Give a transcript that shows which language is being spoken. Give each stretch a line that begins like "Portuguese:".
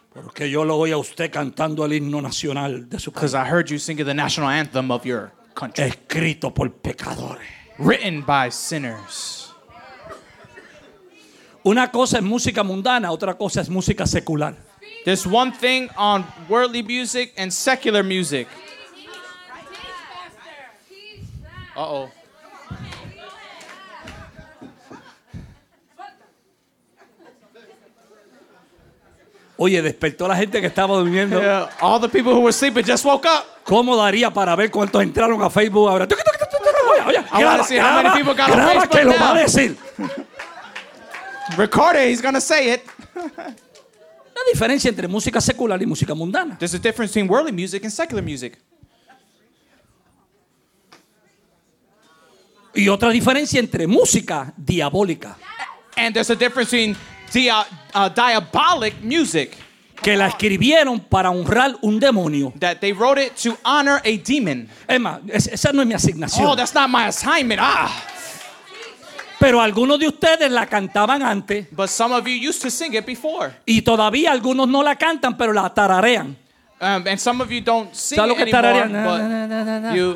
Spanish: Porque yo lo oí a usted cantando el himno nacional de su país.
English: Because I heard you singing the national anthem of your country.
Spanish: Escrito por pecadores.
English: Written by sinners.
Spanish: Una cosa es música mundana, otra cosa es música secular.
English: There's one thing on worldly music and secular music. Uh-oh.
Spanish: Oye, despertó la gente que estaba durmiendo.
English: All the people who were sleeping just woke up.
Spanish: ¿Cómo daría para ver cuántos entraron a Facebook ahora?
English: I want to see how many people got on Facebook
Spanish: que lo va a decir.
English: Record it, he's gonna say it.
Spanish: La diferencia entre música secular y música mundana.
English: There's a difference between worldly music and secular music.
Spanish: Y otra diferencia entre música diabólica.
English: And there's a difference between diabolic music.
Spanish: Que la escribieron para honrar un demonio.
English: That they wrote it to honor a demon.
Spanish: Emma, esa no es mi asignación.
English: Oh, that's not my assignment. Ah.
Spanish: Pero algunos de ustedes la cantaban antes.
English: But some of you used to sing it before.
Spanish: Y todavía algunos no la cantan, pero la tararean.
English: And some of you don't sing it anymore, tararean?